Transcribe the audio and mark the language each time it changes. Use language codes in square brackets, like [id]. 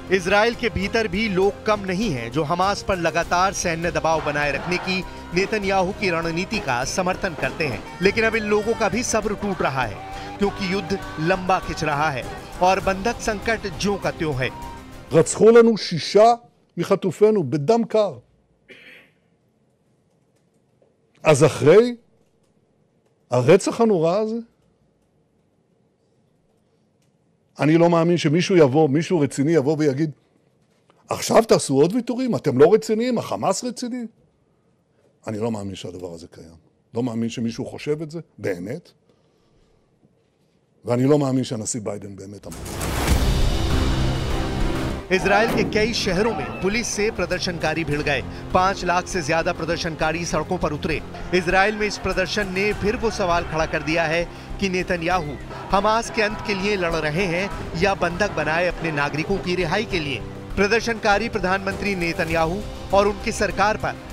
[hi] Israel के भीतर भी लोग कम नहीं हैं जो हमास पर लगातार सैन्य दबाव बनाए रखने की नेतन्याहू की रणनीति का समर्थन करते हैं, लेकिन अब इन लोगों का भी सब्र टूट रहा है क्योंकि युद्ध लंबा खिंच रहा है और बंधक संकट ज्यों का त्यों है। [he] מחטופינו בדם קר. אז אחרי הרצח הנורא הזה, אני לא מאמין שמישהו יבוא, מישהו רציני יבוא ויגיד, עכשיו תעשו עוד ויתורים, אתם לא רציניים, החמאס רציני. אני לא מאמין שהדבר הזה קיים. לא מאמין שמישהו חושב את זה, באמת. ואני לא מאמין שהנשיא ביידן באמת אמר. [hi] इसराइल के कई शहरों में पुलिस से प्रदर्शनकारी भिड़ गए। 5 लाख से ज्यादा प्रदर्शनकारी सड़कों पर उतरे। इसराइल में इस प्रदर्शन ने फिर वो सवाल खड़ा कर दिया है कि नेतन्याहू हमास के अंत के लिए लड़ रहे हैं या बंधक बनाए अपने नागरिकों की रिहाई के लिए। प्रदर्शनकारी प्रधानमंत्री नेतन्याहू और उनकी सरकार पर